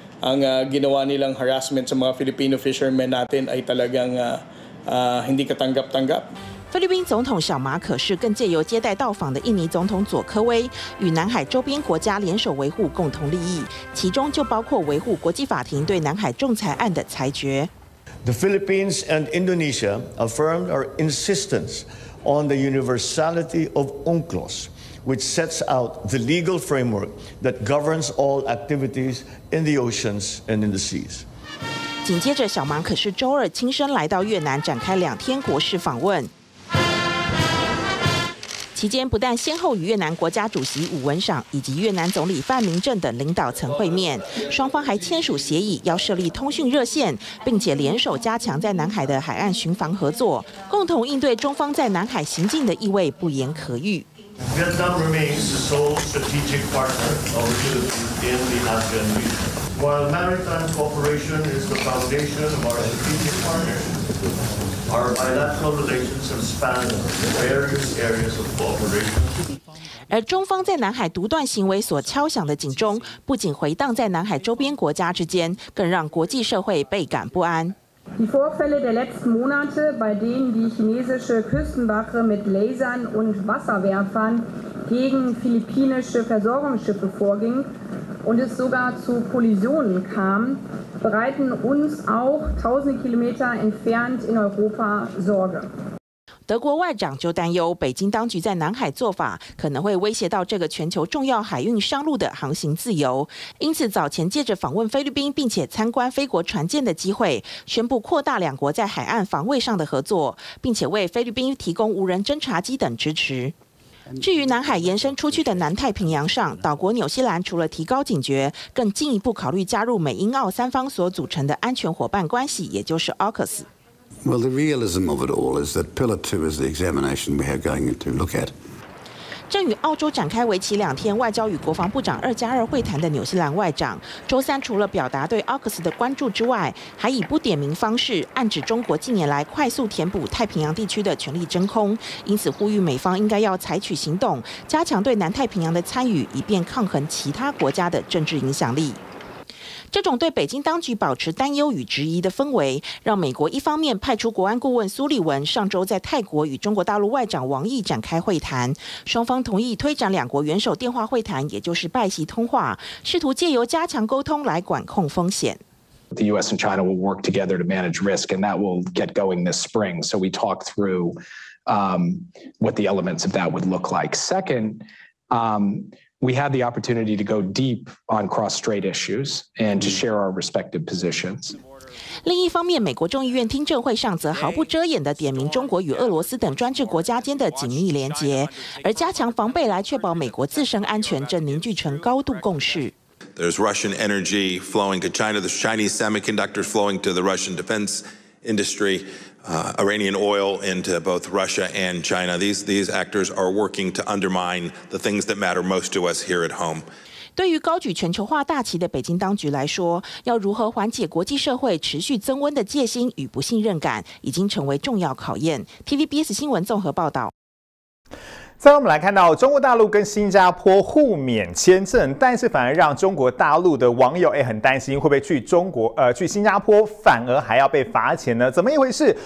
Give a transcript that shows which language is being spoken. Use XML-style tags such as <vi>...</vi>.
<tl>Ang ginawa nilang harassment sa mga Filipino fishermen natin ay talagang hindi katanggap-tanggap.</tl> <zh>菲律宾总统小马可是更借由接待到访的印尼总统佐科威，与南海周边国家联手维护共同利益，其中就包括维护国际法庭对南海仲裁案的裁决。</zh> <en>The Philippines and Indonesia affirmed our insistenceon the universality of UNCLOS, which sets out the legal framework that governs all activities in the oceans and in the seas.</en> <zh>紧接着，小马可是周二亲身来到越南展开2天国事访问。期间不但先后与越南国家主席伍文赏以及越南总理范明政等领导层会面，双方还签署协议要设立通讯热线，并且联手加强在南海的海岸巡防合作，共同应对中方在南海行径的意味不言可喻。</zh> <en>Vietnam remains the sole strategic partner of the Philippines in the ASEAN region. While maritime cooperation is the foundation of our strategic partnership, our bilateral relations have spanned various areas of cooperation.</en> <zh>而中方在南海独断行为所敲响的警钟，不仅回荡在南海周边国家之间，更让国际社会倍感不安。</zh> <de>Die Vorfälle der letzten Monate, bei denen die chinesische Küstenwache mit Lasern und Wasserwerfern gegen philippinische Versorgungsschiffe vorging und es sogar zu Kollisionen kam, bereiten uns auch tausende Kilometer entfernt in Europa Sorge.</de> <zh>德国外长就担忧北京当局在南海做法可能会威胁到这个全球重要海运商路的航行自由，因此早前借着访问菲律宾并且参观菲国船舰的机会，宣布扩大两国在海岸防卫上的合作，并且为菲律宾提供无人侦察机等支持。至于南海延伸出去的南太平洋上，岛国纽西兰除了提高警觉，更进一步考虑加入美英澳三方所组成的安全伙伴关系，也就是 AUKUS。</zh> <en>Well, the realism of it all is that Pillar 2 is the examination we are going to look at.</en> <zh>正与澳洲展开为期两天外交与国防部长二加二会谈的纽西兰外长，周三除了表达对 AUKUS 的关注之外，还以不点名方式暗指中国近年来快速填补太平洋地区的权力真空，因此呼吁美方应该要采取行动，加强对南太平洋的参与，以便抗衡其他国家的政治影响力。这种对北京当局保持担忧与质疑的氛围，让美国一方面派出国安顾问苏利文上周在泰国与中国大陆外长王毅展开会谈，双方同意推展两国元首电话会谈，也就是拜习通话，试图借由加强沟通来管控风险。</zh> <en>The U.S. and China will work together to manage risk, and that will get going this spring. So we talk through what the elements of that would look like. Second, We had the opportunity to go deep on cross-strait issues and to share our respective positions.</en> <zh>另一方面，美国众议院听证会上则毫不遮掩地点名中国与俄罗斯等专制国家间的紧密连结，而加强防备来确保美国自身安全，正凝聚成高度共识。</zh> <en>There's Russian energy flowing to China. There's Chinese semiconductors flowing to the Russian defense industry. Iranian oil into both Russia and China. These actors are working to undermine the things that matter most to us here at home.</en> <zh>对于高举全球化大旗的北京当局来说，要如何缓解国际社会持续增温的戒心与不信任感，已经成为重要考验。 TVBS 新闻综合报道。再我们来看到中国大陆跟新加坡互免签证，但是反而让中国大陆的网友很担心会不会去中国去新加坡反而还要被罚钱呢？怎么一回事？</zh>